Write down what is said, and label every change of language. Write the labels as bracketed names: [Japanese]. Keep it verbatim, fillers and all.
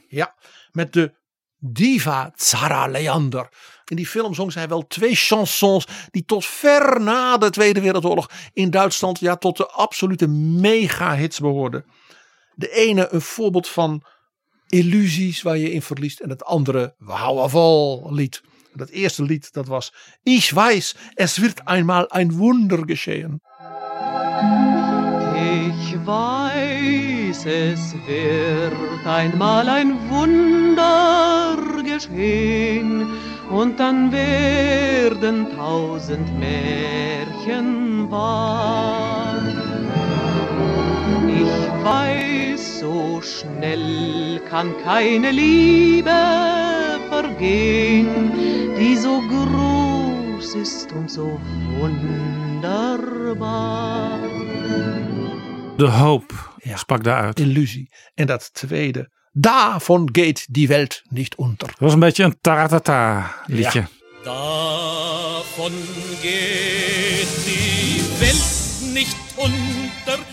[Dutch] Ja, met de diva Zara Leander. In die film zong zij wel twee chansons die tot ver na de Tweede Wereldoorlog in Duitsland ja, tot de absolute mega hits behoorden. De ene een voorbeeld van illusies waar je in verliest. En het andere we houden vol lied. Dat eerste lied dat was [German] Ich weiß, es wird einmal ein Wunder geschehen. Ich weiß, es wird einmal ein Wunder geschehen. Und dann werden tausend Märchen wahr. Ich weiß, so schnell kann keine Liebe vergehen. Die so groß ist und so wunderbaar. [Dutch] De hoop ja, sprak daaruit. Illusie. En dat tweede. [German] Davon geht die Welt nicht unter. [Dutch] Dat was een beetje een taratata liedje. Ja. [German] Davon geht die Welt nicht unter.